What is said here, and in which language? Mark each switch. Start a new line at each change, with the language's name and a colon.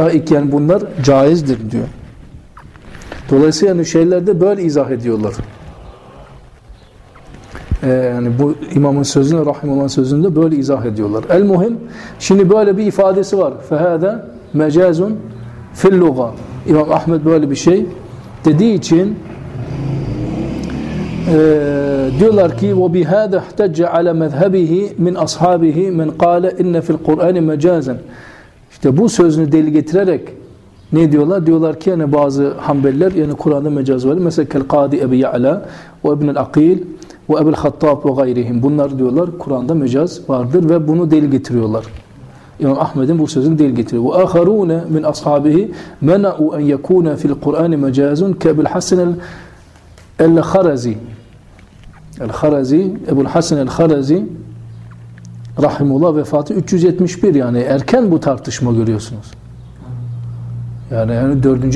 Turkish: Yani bunlar caizdir diyor. Dolayısıyla yani şeylerde böyle izah ediyorlar. Yani bu imamın sözünde, rahimullah'ın sözünde böyle izah ediyorlar. El muhim, şimdi böyle bir ifadesi var.
Arabic: Fehâde mecazun fillugâ.
Turkish: İmam Ahmed böyle bir şey dediği için diyorlar ki
Arabic: وَبِهَذَا اَحْتَجَّ عَلَى مَذْهَبِهِ مِنْ أَصْحَابِهِ مِنْ قَالَ اِنَّ فِي الْقُرْآنِ مَجَازًا.
Turkish: İşte bu sözünü delil getirerek ne diyorlar? Diyorlar ki yani bazı Hanbeliler yani Kur'an'da mecaz var. Mesela
Arabic: كَالْقَادِ اَبِي يَعْلَى وَاَبْنَ الْاَقِيلِ وَاَبِ الْخَطَّابُ وَغَيْرِهِمْ.
Turkish: Bunlar diyorlar Kur'an'da mecaz vardır ve bunu delil getiriyorlar. İmam Ahmed'in bu sözünü delil getiriyor.
Arabic: وَاَخَرُونَ مِنْ أَصْحَابِهِ مَنَعُوا اَنْ يَكُونَ فِي الْقُرْآنِ مَجَازٌ كَبِ الْحَسَنِ الْخَرَزِ.
Turkish: الْخَرَزِ, Ebu Hasan el-Kharazi rahimullah vefatı 371, yani erken bu tartışma görüyorsunuz. Yani 4.